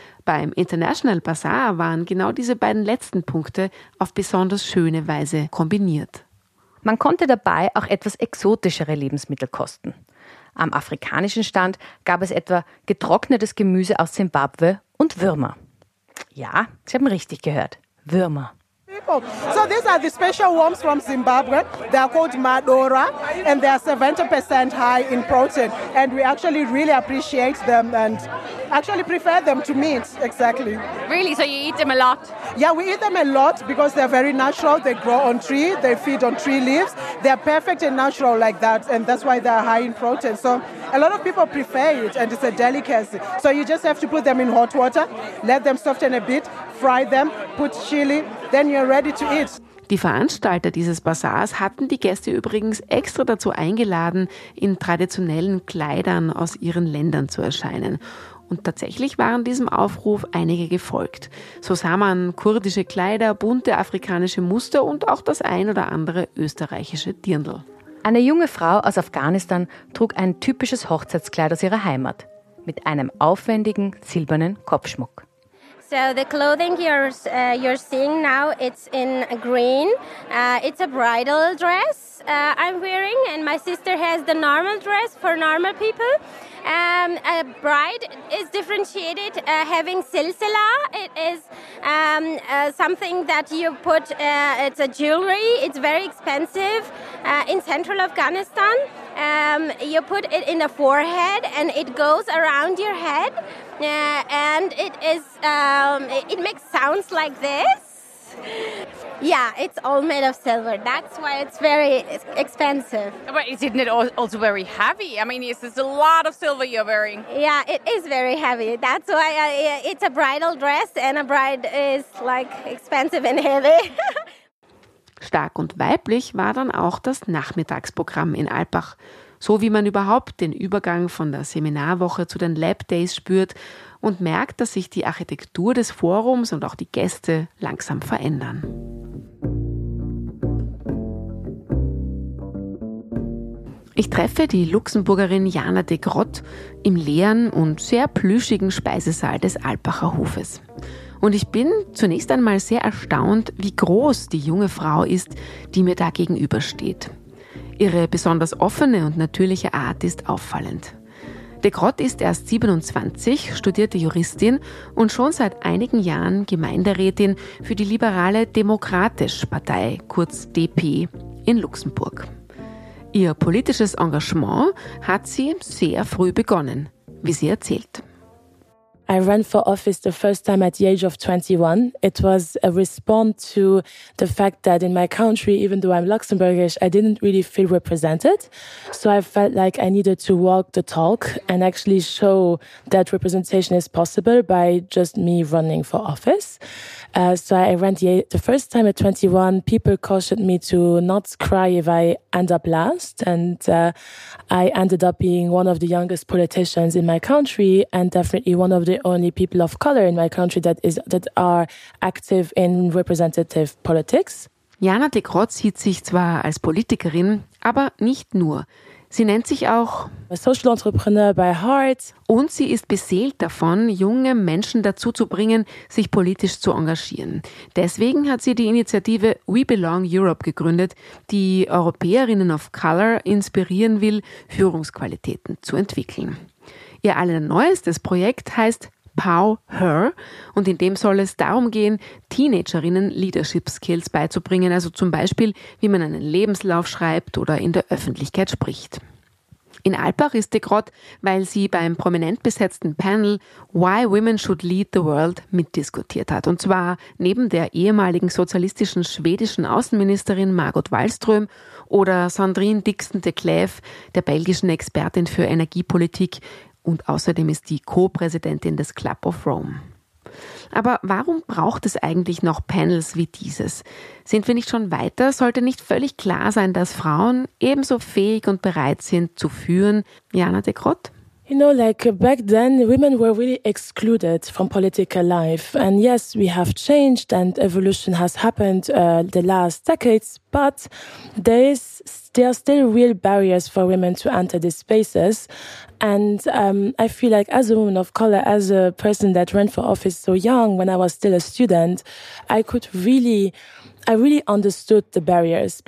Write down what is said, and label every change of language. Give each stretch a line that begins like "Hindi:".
German: Beim International Bazaar waren genau diese beiden letzten Punkte auf besonders schöne Weise kombiniert. Man konnte dabei auch etwas exotischere Lebensmittel kosten. Am afrikanischen Stand gab es etwa getrocknetes Gemüse aus Simbabwe und Würmer. Ja, Sie haben richtig gehört, Würmer.
English: So these are the special worms from Zimbabwe. They are called Madora and they are 70% high in protein and we actually really appreciate them and actually prefer them to meat, exactly. Really? So you eat them a lot? Yeah, we eat them a lot because they're very natural. They grow on tree, they feed on tree leaves. They're perfect and natural like that and that's why they are high in protein. So a lot of people prefer it and it's a delicacy. So you just have to put them in hot water, let them soften a bit, fry them, put chili. Then you're ready to eat.
German: Die Veranstalter dieses Bazaars hatten die Gäste übrigens extra dazu eingeladen, in traditionellen Kleidern aus ihren Ländern zu erscheinen. Und tatsächlich waren diesem Aufruf einige gefolgt. So sah man kurdische Kleider, bunte afrikanische Muster und auch das ein oder andere österreichische Dirndl. Eine junge Frau aus Afghanistan trug ein typisches Hochzeitskleid aus ihrer Heimat mit einem aufwendigen silbernen Kopfschmuck.
English: So the clothing you're seeing now, it's in green. It's a bridal dress I'm wearing, and my sister has the normal dress for normal people. A bride is differentiated having silsila. It is something that you put. It's a jewelry. It's very expensive in central Afghanistan. You put it in the forehead, and it goes around your head. And it is. It makes sounds like this. Yeah, it's all made of silver. That's why it's very expensive. But isn't it also very heavy? I mean, this is a lot of silver you're wearing. Yeah, it is very heavy. That's why it's a bridal dress, and a bride is like expensive and heavy.
German: Stark und weiblich war dann auch das Nachmittagsprogramm in Alpbach. So wie man überhaupt den Übergang von der Seminarwoche zu den Lab Days spürt und merkt, dass sich die Architektur des Forums und auch die Gäste langsam verändern. Ich treffe die Luxemburgerin Jana de Grotte im leeren und sehr plüschigen Speisesaal des Alpbacher Hofes. Und ich bin zunächst einmal sehr erstaunt, wie groß die junge Frau ist, die mir da gegenübersteht. Ihre besonders offene und natürliche Art ist auffallend. De Grott ist erst 27, studierte Juristin und schon seit einigen Jahren Gemeinderätin für die liberale Demokratische Partei, kurz DP, in Luxemburg. Ihr politisches Engagement hat sie sehr früh begonnen, wie sie erzählt.
English: I ran for office the first time at the age of 21. It was a response to the fact that in my country, even though I'm Luxembourgish, I didn't really feel represented. So I felt like I needed to walk the talk and actually show that representation is possible by just me running for office. So I ran the first time at 21. People cautioned me to not cry if I end up last. And I ended up being one of the youngest politicians in my country and definitely one of the only people of color in my country that are active in representative politics.
German: Jana de Grott sieht sich zwar als Politikerin, aber nicht nur. Sie nennt sich auch
English: a social entrepreneur by heart.
German: Und sie ist beseelt davon, junge Menschen dazu zu bringen, sich politisch zu engagieren. Deswegen hat sie die Initiative We Belong Europe gegründet, die Europäerinnen of Color inspirieren will, Führungsqualitäten zu entwickeln. Ihr allerneuestes Projekt heißt Pow Her und in dem soll es darum gehen, Teenagerinnen Leadership Skills beizubringen, also zum Beispiel, wie man einen Lebenslauf schreibt oder in der Öffentlichkeit spricht. In Alpbach ist de Grott, weil sie beim prominent besetzten Panel Why Women Should Lead the World mitdiskutiert hat. Und zwar neben der ehemaligen sozialistischen schwedischen Außenministerin Margot Wallström oder Sandrine Dixon de Klerk, der belgischen Expertin für Energiepolitik. Und außerdem ist die Co-Präsidentin des Club of Rome. Aber warum braucht es eigentlich noch Panels wie dieses? Sind wir nicht schon weiter? Sollte nicht völlig klar sein, dass Frauen ebenso fähig und bereit sind zu führen? Jana de Grott?
English: You know, like back then, women were really excluded from political life. And yes, we have changed and evolution has happened the last decades, but there are still real barriers for women to enter these spaces. And I feel like as a woman of color, as a person that ran for office so young when I was still a student, I really understood the barriers.